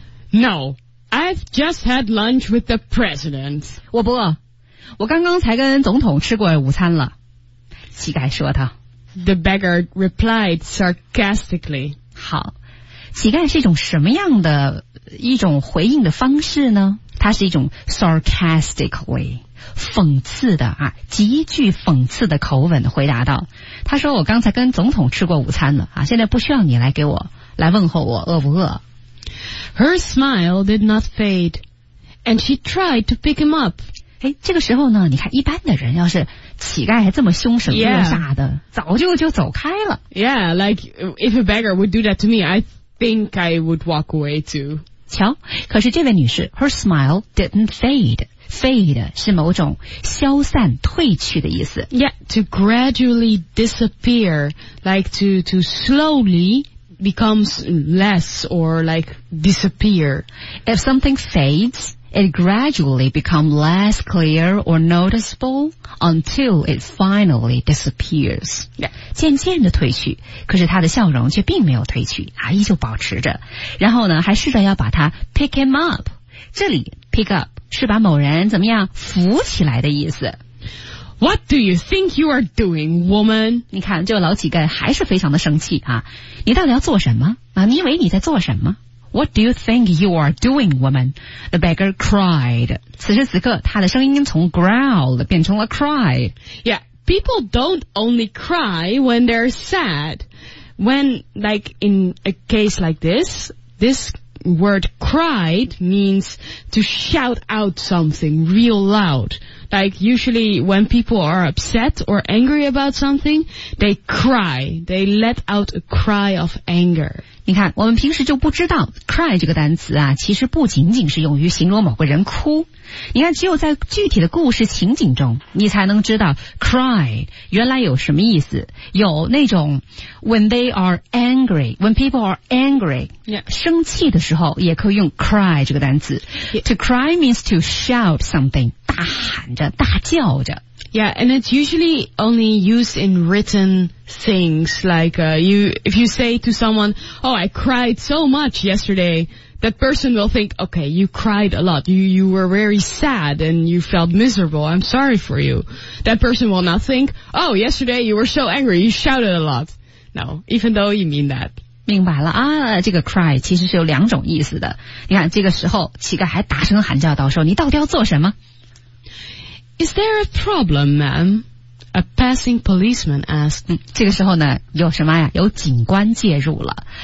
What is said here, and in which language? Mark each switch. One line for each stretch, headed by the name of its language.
English: No, I've just had lunch with the president.
Chinese: 我不饿，我刚刚才跟总统吃过午餐了。乞丐说道。
English: The beggar replied sarcastically.
Chinese: 好，乞丐是一种什么样的一种回应的方式呢它是一种 sarcastically 讽刺的啊，极具讽刺的口吻回答道他说我刚才跟总统吃过午餐了啊，现在不需要你来给我来问候我饿不饿
English: Her smile did not fade and she tried to pick him up
Chinese: 哎，这个时候呢你看一般的人要是乞丐还这么凶神恶煞的、
English: yeah.
Chinese: 早就走开了
English: Yeah, like if a beggar would do that to me I think I would walk away too
Chinese: 瞧可是这位女士
English: her smile didn't fade
Chinese: fade 是某种消散褪去的意思
English: yeah to gradually disappear like to slowly becomes less or like disappear if something fades it gradually becomes less clear or noticeable until it finally disappears yeah
Chinese: 渐渐的褪去可是她的笑容却并没有褪去啊，依旧保持着然后呢还试着要把她
English: pick him up
Chinese: 这里 pick up 是把某人怎么样扶起来的意思
English: What do you think you are doing, woman?
Chinese: 你看这个老乞丐还是非常的生气啊！你到底要做什么啊？你以为你在做什么
English: What do you think you are doing, woman? The beggar cried.
Chinese: 此时此刻他的声音从 growl 变成了 cry.
English: Yeah, people don't only cry when they're sad. When, like, in a case like this, this word cried means to shout out something real loud. Like, usually when people are upset or angry about something, they cry. They let out a cry of anger.
Chinese: 你看我们平时就不知道 cry 这个单词啊其实不仅仅是用于形容某个人哭你看只有在具体的故事情景中你才能知道 cry 原来有什么意思有那种
English: when they are angry
Chinese: when people are angry、
English: yeah.
Chinese: 生气的时候也可以用 cry 这个单词、
English: yeah. to cry means to shout something
Chinese: 大大喊着，大叫着。
English: Yeah, and it's usually only used in written things. Like, if you say to someone, oh, I cried so much yesterday, that person will think, okay, you cried a lot. You were very sad and you felt miserable. I'm sorry for you. That person will not think, oh, yesterday you were so angry. You shouted a lot. No, even though you mean that.
Chinese: 明白了啊，这个 cry 其实是有两种意思的。你看这个时候乞丐还大声喊叫道，说你到底要做什么？
English: Is there a problem, ma'am? A passing policeman asked.
Chinese: 这个时候呢，有什么呀？有警官介入了。